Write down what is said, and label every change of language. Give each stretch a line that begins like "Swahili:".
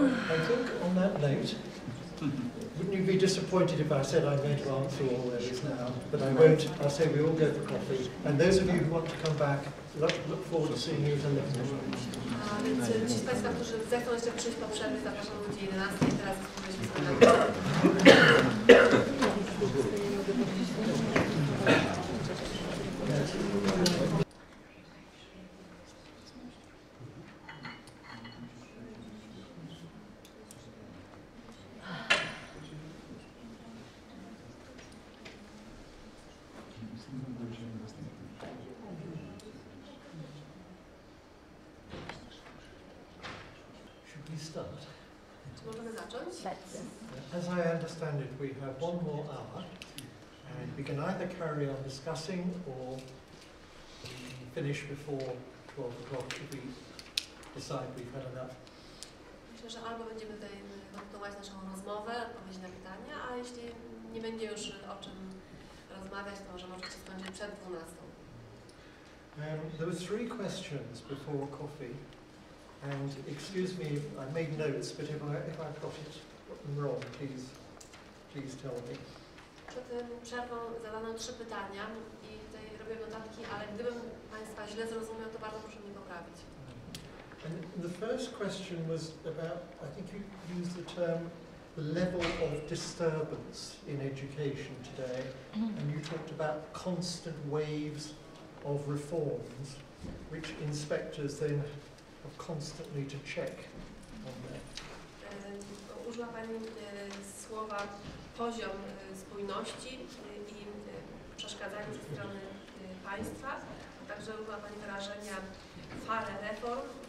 English: Wouldn't you be disappointed if I said I'm going to answer all those now? But I won't. I say we all go for coffee. And those of you who want to come back, look forward to seeing you at the next one.
Polish: A więc ci z Państwa, którzy zechcą jeszcze przyjść po przerwie, zapraszam ludzi 11 i teraz.
English: start? Let's. As I understand it, we have one more hour, and we can either carry on discussing or finish before 12 o'clock if we decide we've had enough.
Polish: Myślę, że albo będziemy tutaj kontynuować naszą rozmowę, odpowiedzi na pytania, a jeśli nie będzie już o czym rozmawiać, to może możecie skończyć przed 12.
English: There were three questions before coffee, and excuse me, I made notes, but if I've got it wrong, please tell me.
Polish: Przed przerwą zadano trzy pytania i tutaj robię notatki, ale gdybym Państwa źle zrozumiał, to bardzo proszę mnie poprawić.
English: And the first question was about, I think you used the term, the level of disturbance in education today, and you talked about constant waves of reforms, which inspectors then have constantly to check on that.
Polish: Użyła Pani słowa poziom spójności i przeszkadzanie ze strony państwa, a także użyła Pani wyrażenia fale reform.